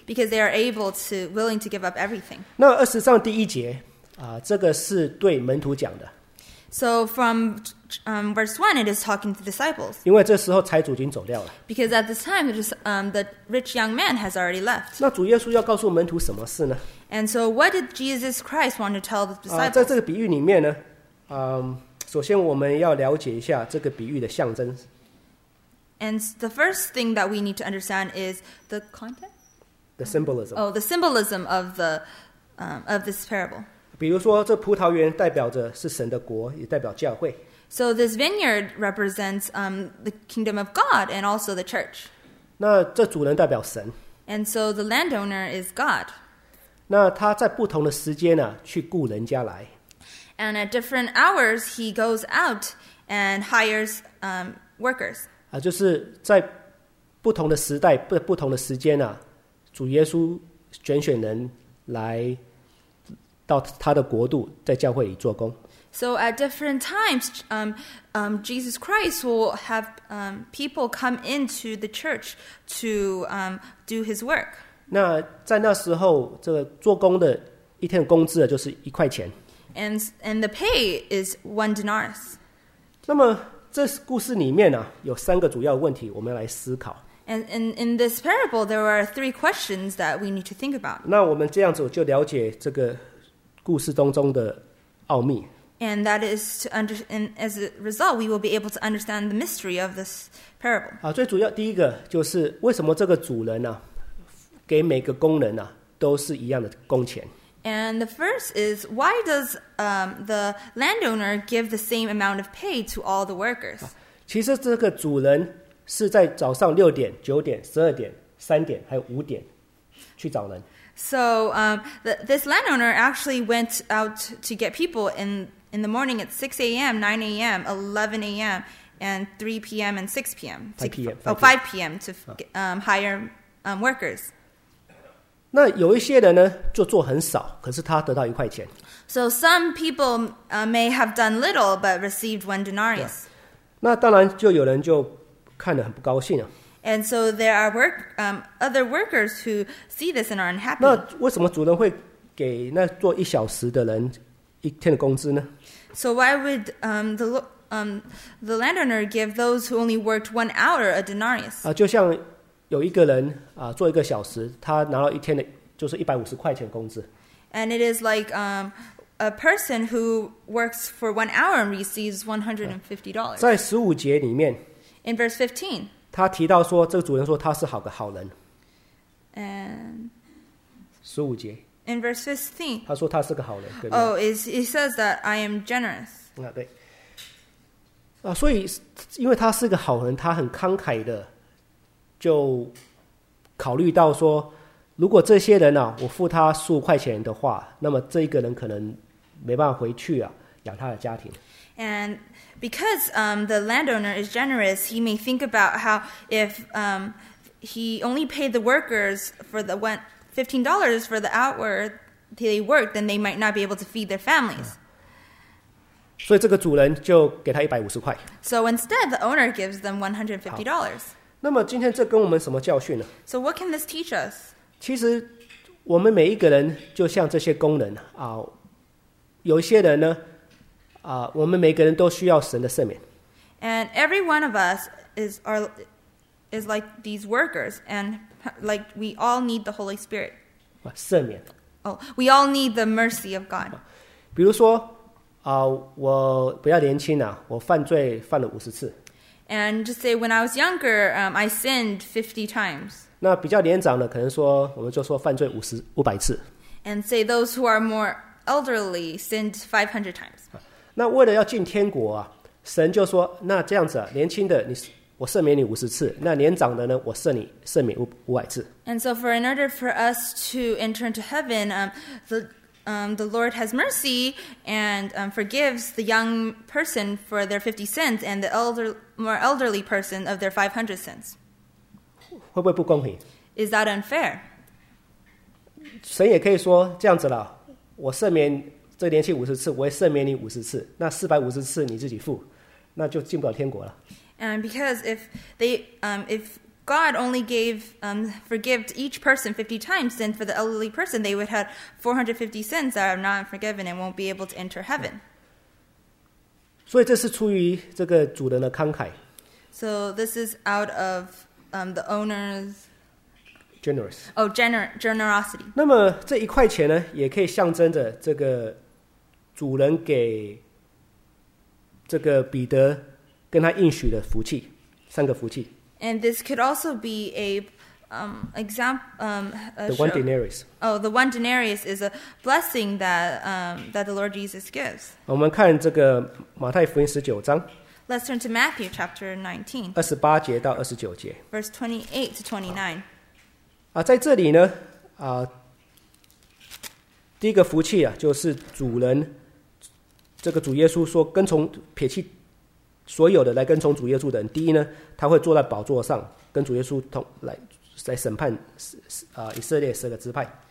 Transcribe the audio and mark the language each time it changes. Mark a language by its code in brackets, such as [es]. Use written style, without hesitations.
[en] Because they are able to, willing to give up everything. [zh] 那二十章第一节、这个是对门徒讲的。 [en] So from verse 1, it is talking to disciples. [zh] 因为这时候财主已经走掉了。 [en] Because at this time, the rich young man has already left. [zh] 那主耶稣要告诉门徒什么事呢？ [en] And so what did Jesus Christ want to tell the disciples? [zh] 在这个比喻里面呢、首先我们要了解一下这个比喻的象征。 [en] And the first thing that we need to understand is the content? The symbolism. Oh, the symbolism of this parable. [zh] 比如说这葡萄园代表着是神的国，也代表教会。 [en] So this vineyard represents the kingdom of God and also the church. [zh] 那这主人代表神。 [en] And so the landowner is God. [zh] 那他在不同的时间、啊、去雇人家来。 [en] And at different hours he goes out and hires workers. [zh] 就是在不同的时代不同的时间、啊、主耶稣拣选人来到他的国度，在教会里做工。 [en] So at different times, Jesus Christ will have people come into the church to do his work. [zh] 那在那时候，这个做工的一天的工资就是一块钱。 [en] And the pay is one denarius. [zh] 那么这故事里面呢、啊，有三个主要问题，我们要来思考。 [en] And in this parable, there are three questions that we need to think about. [zh] 那我们这样子就了解这个。故事当中的奥秘。 [en] And that is to as a result, we will be able to understand the mystery of this parable. [zh] 最主要第一个就是为什么这个主人呢、啊，给每个工人呢、啊、都是一样的工钱。 [en] And the first is why does the landowner give the same amount of pay to all the workers? [zh] 其实这个主人是在早上六点、九点、十二点、三点还有五点去找人。 [en] So this landowner actually went out to get people in the morning at 6 a.m., 9 a.m., 11 a.m., and 3 p.m. and 6 p.m. 5 p.m. to hire workers. [zh] 那有一些人呢，就做很少，可是他得到一块钱。 [en] So some people may have done little but received one denarius. [zh] 那当然就有人就看得很不高兴啊。 [en] And so there are other workers who see this and are unhappy. [zh] 那为什么主人会给那做一小时的人一天的工资呢？ [en] So why would the landowner give those who only worked 1 hour a denarius? [zh] 就像有一个人做一个小时，他拿到一天的就是150块钱工资。 [en] And it is like a person who works for 1 hour and receives $150. [zh] 在十五节里面 [en] ，In verse 15. [zh] 他提到说，这个主人说他是好个好人。 [en] And [zh] 十五节。 [en] In verse 15. [zh] 他说他是个好人。 [en] Oh, he says that I am generous. [zh] 啊，对。啊，所以因为他是个好人，他很慷慨的，就考虑到说，如果这些人呢、啊，我付他十五块钱的话，那么这一个人可能没办法回去啊，养他的家庭。 [en] And because the landowner is generous, he may think about how if he only paid the workers for the $15 for the hour they worked, then they might not be able to feed their families. [zh] 所以这个主人就给他150块。 [en] So instead, the owner gives them $150. [zh] 那么今天这跟我们什么教训呢？ [en] So what can this teach us? [zh] 其实我们每一个人就像这些工人啊，有一些人呢我们每个人都需要神的赦免。 [en] And every one of us is like these workers, and like we all need the Holy Spirit. [zh] 赦免。 [en] Oh, we all need the mercy of God. [zh] 比如说，我比较年轻啊，我犯罪犯了50次。 [en] And just say, when I was younger, I sinned 50 times. [zh] 那比较年长的可能说，我们就说犯罪500次。 [en] And say those who are more elderly sinned 500 times. [zh] 那为了要进天国啊，神就说，那这样子啊，年轻的你我赦免你50次，那年长的呢，我赦免500次。 [en] And so for in order for us to enter into heaven, the Lord has mercy and forgives the young person for their 50 sins and the more elderly person of their 500 sins. [zh] 会不会不公平？ [en] Is that unfair? [zh] 神也可以说这样子了，我赦免这年轻50次，我也赦免你50次，那450次你自己付，那就进不了天国了。 [en] And because if God only gave forgived each person 50 times, then for the elderly person, they would have 450 sins that are not forgiven and won't be able to enter heaven. [zh] 所以这是出于这个主人的慷慨。 [en] So this is out of the owner's generous. Oh, generosity. [zh] 那么这一块钱呢，也可以象征着这个主人给这个彼得。跟他应许的福气，三个福气。 [en] And this could also be a The one denarius. Oh, the one denarius is a blessing that that the Lord Jesus gives. [zh] 我们看这个马太福音十九章。 [en] Let's turn to Matthew chapter 19. 28-29. Verse 28-29. [zh] 在这里呢，第一个福气啊，就是主人，这个主耶稣说，跟从撇弃。所有的来跟从主耶稣的人，第一呢，他会坐在宝座上，跟主耶稣同来审判以色列十个支派。